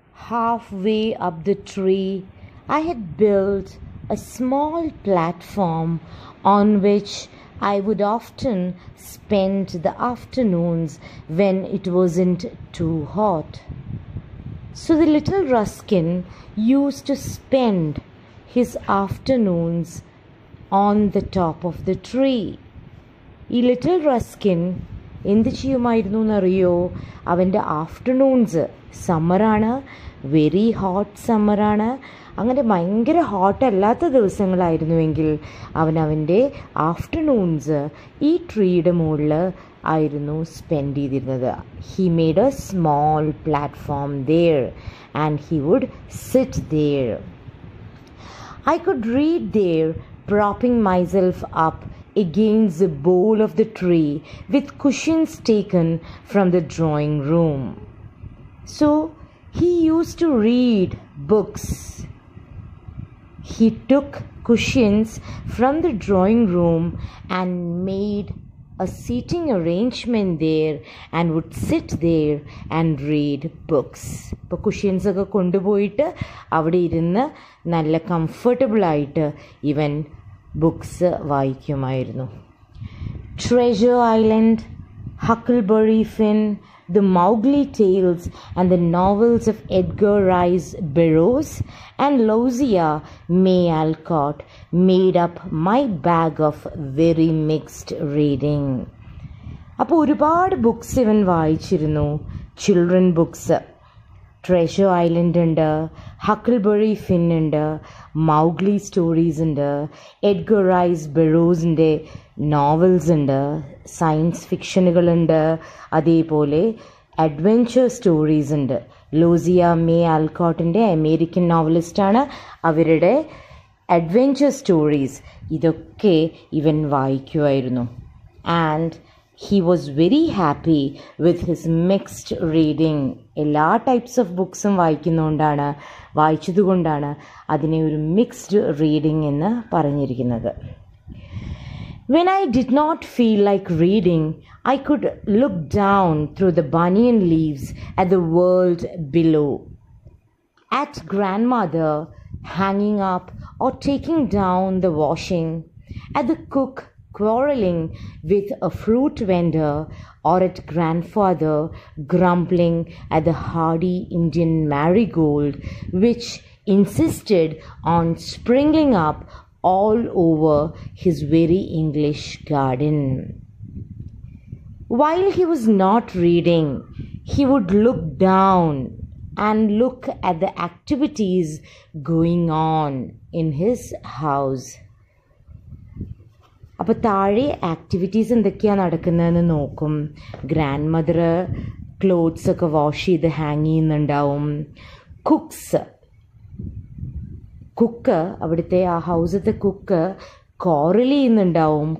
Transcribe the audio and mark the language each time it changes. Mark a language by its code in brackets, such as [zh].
[en] Halfway up the tree, I had built a small platform on which I would often spend the afternoons when it wasn't too hot. So the little Ruskin used to spend his afternoons on the top of the tree. [ml] ഈ little Ruskin എന്ത് ചെയ്യുമായിരുന്നു എന്നറിയോ, അവൻ്റെ afternoons, സമ്മറാണ്, very hot സമ്മറാണ്, അങ്ങനെ ഭയങ്കര ഹോട്ടല്ലാത്ത ദിവസങ്ങളായിരുന്നുവെങ്കിൽ അവനവൻ്റെ afternoons ഈ ട്രീയുടെ മുകളിൽ ആയിരുന്നു സ്പെൻഡ് ചെയ്തിരുന്നത്. [en] He made a small platform there and he would sit there. I could read there, propping myself up against the bole of the tree with cushions taken from the drawing room. So he used to read books. He took cushions from the drawing room and made a seating arrangement there and would sit there and read books. [ml] ഇപ്പോൾ cushions ഒക്കെ കൊണ്ടുപോയിട്ട് അവിടെ ഇരുന്ന് നല്ല കംഫർട്ടബിളായിട്ട് ഇവൻ books വായിക്കുമായിരുന്നു. [en] Treasure Island, Huckleberry Finn, the Mowgli tales and the novels of Edgar Rice Burroughs and Louisa May Alcott made up my bag of very mixed reading. [ml] അപ്പോൾ ഒരുപാട് ബുക്സ് ഇവൻ വായിച്ചിരുന്നു. ചിൽഡ്രൻ ബുക്സ്, ട്രെഷർ ഐലൻഡ് ഉണ്ട്, ഹക്കിൾബറി ഫിൻ ഉണ്ട്, Mowgli stories ഉണ്ട്, Edgar rice ബെറോസിൻ്റെ novels ഉണ്ട്, science ഫിക്ഷനുകളുണ്ട്, അതേപോലെ adventure stories ഉണ്ട്. ലോസിയ മേ ആൽകോട്ടിൻ്റെ അമേരിക്കൻ നോവലിസ്റ്റാണ്, അവരുടെ അഡ്വെഞ്ചർ സ്റ്റോറീസ് ഇതൊക്കെ ഇവൻ വായിക്കുമായിരുന്നു. [en] And he was very happy with his mixed reading. [ml] Ella [en] types of books [ml] um vaikunnondana vaichidukondana adine oru [en] mixed reading [ml] ennu paranjirikkunnathu. [en] When I did not feel like reading, I could look down through the banyan leaves at the world below, at grandmother hanging up or taking down the washing, at the cook quarreling with a fruit vendor, or at grandfather grumbling at the hardy Indian marigold which insisted on springing up all over his very English garden. While he was not reading, he would look down and look at the activities going on in his house. [ml] അപ്പോൾ താഴെ activities എന്തൊക്കെയാണ് നടക്കുന്നതെന്ന് നോക്കും. Grand mother clothes ഒക്കെ wash ചെയ്ത് hang ചെയ്യുന്നുണ്ടാവും. Cooks, cook, അവിടുത്തെ ആ ഹൗസത്തെ കുക്ക് ക്വാറൽ ചെയ്യുന്നുണ്ടാവും.